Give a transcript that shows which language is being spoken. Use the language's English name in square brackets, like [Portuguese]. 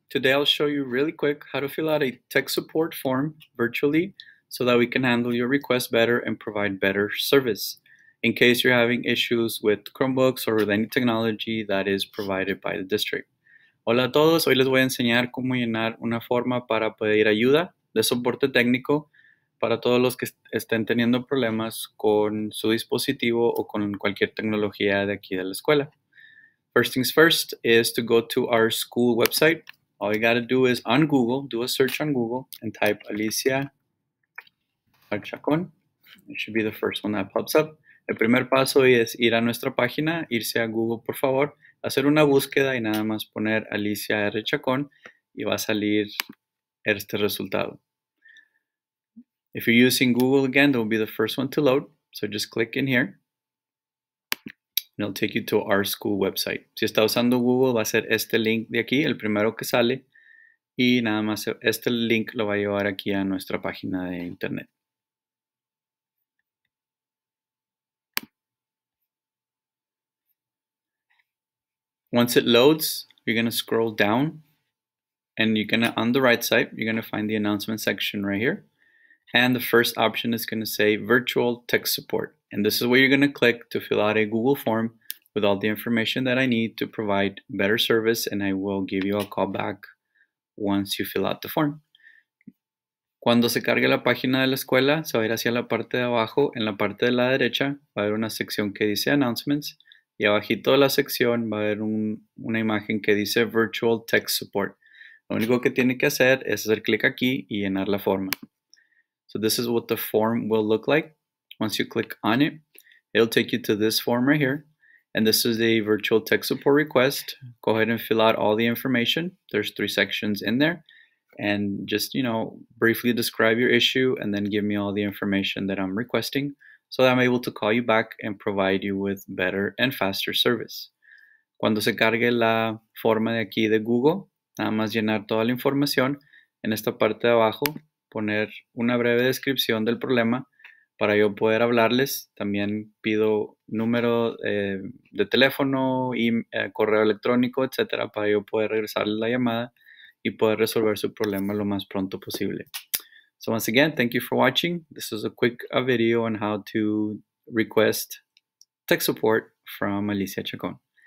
[English] Today I'll show you really quick how to fill out a tech support form virtually so that we can handle your request better and provide better service. In case you're having issues with Chromebooks or with any technology that is provided by the district. [Spanish] Hola a todos, hoy les voy a enseñar cómo llenar una forma para pedir ayuda de soporte técnico para todos los que estén teniendo problemas con su dispositivo o con cualquier tecnología de aquí de la escuela. [English] First things first is to go to our school website. All you gotta do is on Google, do a search on Google and type Alicia Alchacón. It should be the first one that pops up. [Spanish] El primer paso es ir a nuestra página, irse a Google, por favor, hacer una búsqueda y nada más poner Alicia R. Chacón y va a salir este resultado. [English] If you're using Google again, that will be the first one to load. So just click in here. And it'll take you to our school website. [Spanish] Si está usando Google, va a ser este link de aquí, el primero que sale. Y nada más este link lo va a llevar aquí a nuestra página de internet. [English] Once it loads, you're going to scroll down. And you're going to, on the right side, you're going to find the announcement section right here. And the first option is going to say virtual tech support. And this is where you're going to click to fill out a Google form with all the information that I need to provide better service, and I will give you a call back once you fill out the form. [Spanish] Cuando se cargue la página de la escuela, se va a ir hacia la parte de abajo. En la parte de la derecha va a haber una sección que dice Announcements, y abajito de la sección va a haber una imagen que dice Virtual Tech Support. Lo único que tiene que hacer es hacer clic aquí y llenar la forma. [English] So this is what the form will look like. Once you click on it, it'll take you to this form right here. And this is the virtual tech support request. Go ahead and fill out all the information. There's three sections in there. And just, you know, briefly describe your issue and then give me all the information that I'm requesting so that I'm able to call you back and provide you with better and faster service. [Spanish] Cuando se cargue la forma de aquí de Google, nada más llenar toda la información. En esta parte de abajo, poner una breve descripción del problema. Para yo poder hablarles, también pido número de teléfono y correo electrónico, etcétera, para yo poder regresarles la llamada y poder resolver su problema lo más pronto posible. [English] So once again, thank you for watching. This is a quick video on how to request tech support from Alicia Chacón.